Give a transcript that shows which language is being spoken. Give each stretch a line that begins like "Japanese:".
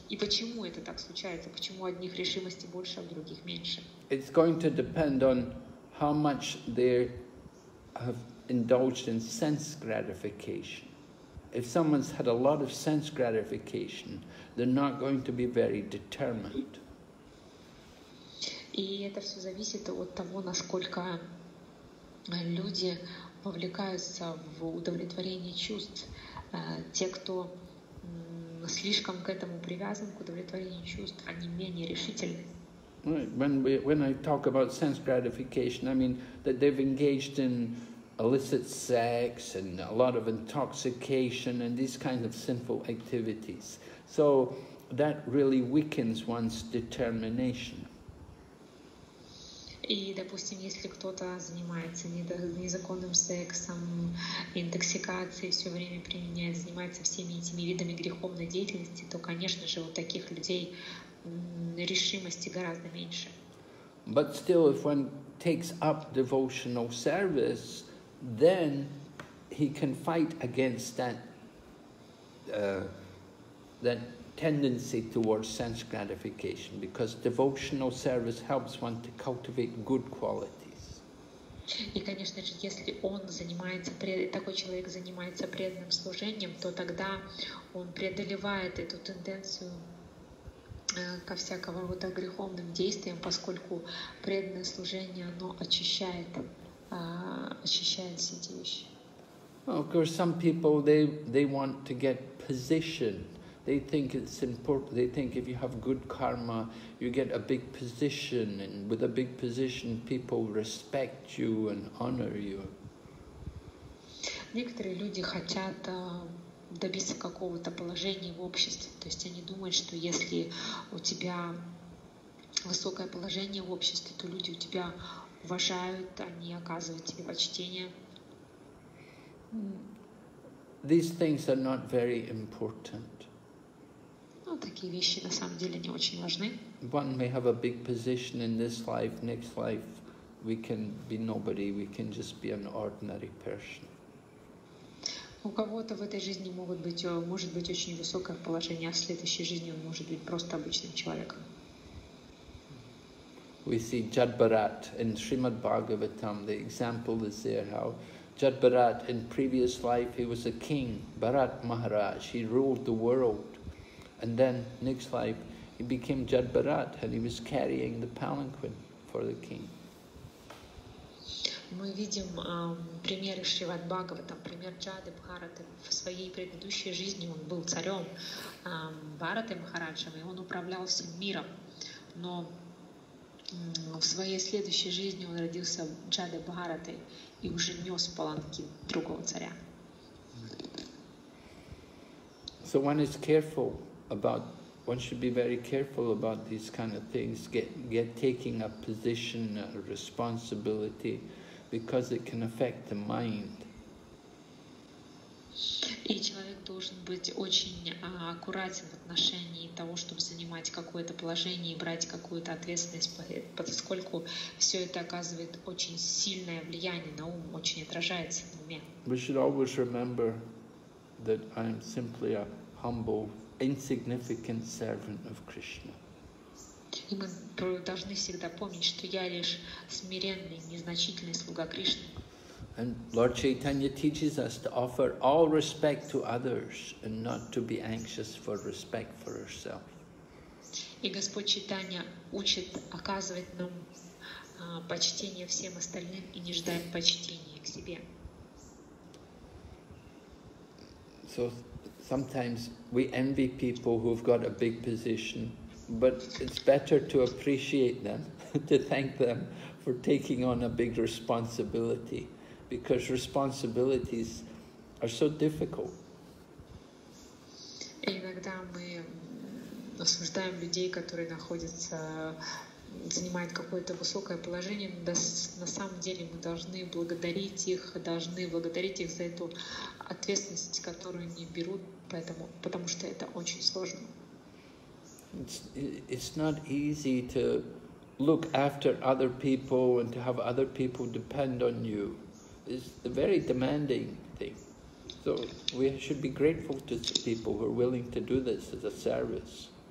Russian: И почему это так случается? Почему одних решимости больше, а других меньше?
English: It's going to depend on how much they have indulged in sense gratification. If someone's had a lot of sense gratification, they're not going to be very determined.
Russian: И это все зависит от того, насколько люди вовлекаются в удовлетворение чувств. Те, кто слишком к этому привязан, к удовлетворению чувств, они менее решительны.
English: When I talk about sense gratification, I mean that they've engaged in illicit sex and a lot of intoxication and these kinds of sinful activities. So that really weakens one's determination.
Russian: И, допустим, если кто-то занимается незаконным сексом, интоксикацией, все время применяет, занимается всеми этими видами греховной деятельности, то, конечно же, у таких людей решимости гораздо меньше.
English: But still, if one takes up devotional service, then he can fight against that tendency towards sense gratification, because devotional service helps one to cultivate good qualities.
Russian: И, конечно же, если он занимается такой человек занимается преданным служением, то тогда он преодолевает эту тенденцию ко всякого рода греховным действиям, поскольку преданное служение оно очищает все эти вещи.
English: Well, of course, some people they want to get position. They think it's important. They think if you have good karma, you get a big position, and with a big position, people respect you and honor you.
Russian: Некоторые люди хотят добиться какого-то положения в обществе. То есть они думают, что если у тебя высокое положение в обществе, то люди у тебя уважают, они оказывают тебе почтение.
English: These things are not very important.
Russian: Ну, такие вещи на самом деле не очень важны.
English: One may have a big position in this life, next life we can be nobody, we can just be an ordinary person.
Russian: У кого-то в этой жизни может быть очень высокое положение, а в следующей жизни он может быть просто обычным человеком.
English: We see Jad Bharat in Srimad Bhagavatam, the example is there how Jad Bharat in previous life he was a king, Bharat Maharaj, he ruled the world. And then, next life, he became Jad Bharat, and he was carrying the palanquin for the king.
Russian: Мы видим примеры Шривад Бхагаватам, пример Джады Бхараты. В своей предыдущей жизни он был царем Бхараты Махараджем, и он управлял всем миром. Но в своей следующей жизни он родился Джады Бхаратой и уже нес паланкин другого царя.
English: So one is careful. About one should be very careful about these kind of things, get taking a position, a responsibility, because it can affect the mind.
Russian: И человек должен быть очень аккуратен в отношении того, чтобы занимать какое-то положение и брать какую-то ответственность, поскольку все это оказывает очень сильное влияние на ум, очень отражается на уме.
English: We should always remember that I am simply a humble, insignificant servant of Krishna.
Russian: И мы должны всегда помнить, что я лишь смиренный, незначительный слуга Кришны.
English: And Lord Chaitanya teaches us to offer all respect to others and not to be anxious for respect for herself.
Russian: И Господь Чайтанья учит оказывать нам почтение всем остальным и не ждать почтения к себе.
English: So sometimes we envy people who've got a big position, but it's better to appreciate them, to thank them for taking on a big responsibility, because responsibilities are so difficult.
Russian: Иногда мы осуждаем людей, которые находятся, занимают какое-то высокое положение, но на самом деле мы должны благодарить их за эту ответственность, которую они берут. Потому что это очень сложно.
English: It's not easy to look after other people and to have other people depend on you. It's a very demanding thing. So we should be grateful to the people who are willing to do this as a service.